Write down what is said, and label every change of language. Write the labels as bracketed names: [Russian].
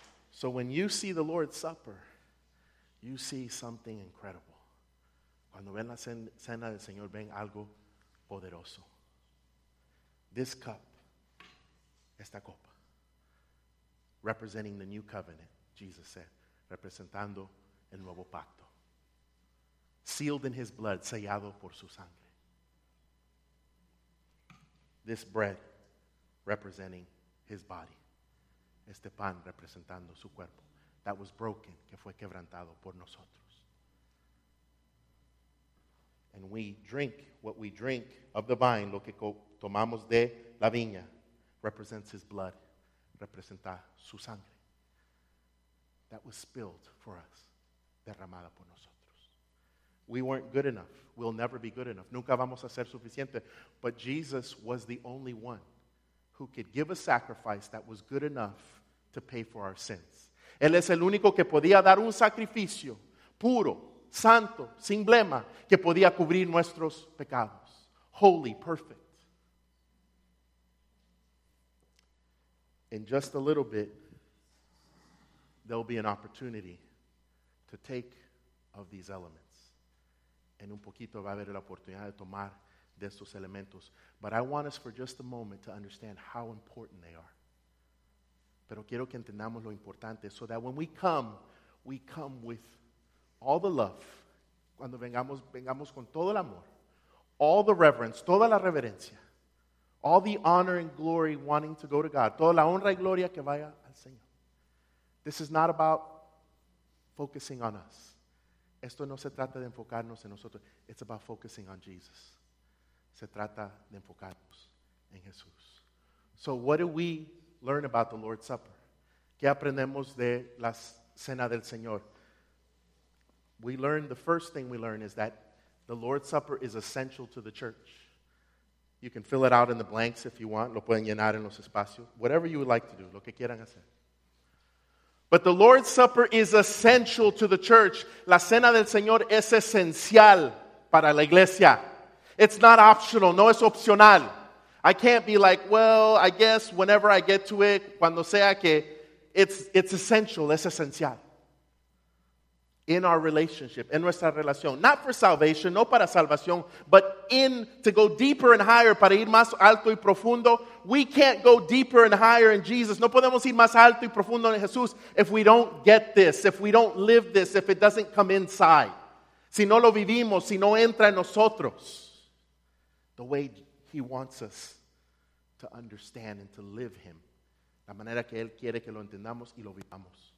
[English] So when you see the Lord's Supper, you see something incredible. [Spanish] Cuando ven la cena del Señor, ven algo poderoso. [English] This cup, [Spanish] esta copa, [English] representing the new covenant, Jesus said, [Spanish] representando el nuevo pacto. [English] Sealed in his blood, [Spanish] sellado por su sangre. [English] This bread representing his body. [Spanish] este pan representando su cuerpo, [English] that was broken, [Spanish] que fue quebrantado por nosotros. [English] And we drink what we drink of the vine, [Spanish] lo que tomamos de la viña, [English] represents his blood, [Spanish] representa su sangre, [English] that was spilled for us, [Spanish] derramada por nosotros. [English] We weren't good enough. We'll never be good enough. [Spanish] Nunca vamos a ser suficiente. [English] But Jesus was the only one who could give a sacrifice that was good enough to pay for our sins. [Spanish] Él es el único que podía dar un sacrificio puro, santo, sin blema, que podía cubrir nuestros pecados. [English] Holy, perfect. In just a little bit, there'll be an opportunity to take of these elements. [Spanish] En un poquito va a haber la oportunidad de tomar de estos elementos. [English] But I want us for just a moment to understand how important they are. [Spanish] Pero quiero que entendamos lo importante, [English] so that when we come with all the love. [Spanish] Cuando vengamos, vengamos con todo el amor. [English] All the reverence, [Spanish] toda la reverencia. [English] All the honor and glory wanting to go to God. [Spanish] Toda la honra y gloria que vaya al Señor. [English] This is not about focusing on us. [Spanish] Esto no se trata de enfocarnos en nosotros. [English] It's about focusing on Jesus. [Spanish] Se trata de enfocarnos en Jesús. [English] So what do we learn about the Lord's Supper? [Spanish] ¿Qué aprendemos de la cena del Señor? [English] We learn, the first thing we learn is that the Lord's Supper is essential to the church. You can fill it out in the blanks if you want. [Spanish] Lo pueden llenar en los espacios. [English] Whatever you would like to do. [Spanish] Lo que quieran hacer. [English] But the Lord's Supper is essential to the church. [Spanish] La cena del Señor es esencial para la iglesia. [English] It's not optional. [Spanish] No es opcional. [English] I can't be like, well, I guess whenever I get to it, [Spanish] cuando sea que, [English] it's essential. [Spanish] Es esencial. [English] In our relationship, [Spanish] en nuestra relación. [English] Not for salvation, [Spanish] no para salvación, [English] but in to go deeper and higher, [Spanish] para ir más alto y profundo. [English] We can't go deeper and higher in Jesus. [Spanish] No podemos ir más alto y profundo en Jesús [English] if we don't get this, if we don't live this, if it doesn't come inside. [Spanish] Si no lo vivimos, si no entra en nosotros. [English] The way he wants us to understand and to live him. [Spanish] La manera que él quiere que lo entendamos y lo vivamos.